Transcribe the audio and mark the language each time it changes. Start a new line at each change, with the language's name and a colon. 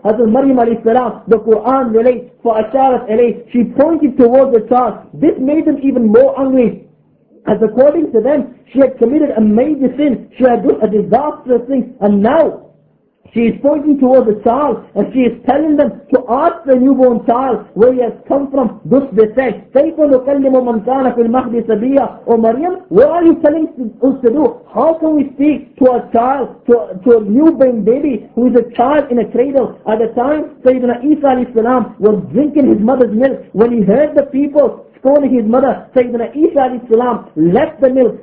English: Hazrat Maryam alayhi salam, the Quran relates, for Asharat alayhi, she pointed towards the child. This made them even more angry, as according to them, she had committed a major sin, she had done a disastrous thing, and now she is pointing towards the child and she is telling them to ask the newborn child where he has come from. Thus they said,
Arabic: كَيْفَ نُكَلِّمُ مَنْ كَانَ فِي الْمَهْدِ سَبِيًّا.
English: O Maryam, what are you telling us to do? How can we speak to a child, to a newborn baby who is a child in a cradle? At the time, Sayyidina Isa alayhi salam was drinking his mother's milk. When he heard the people scolding his mother, Sayyidina Isa alayhi salam left the mill.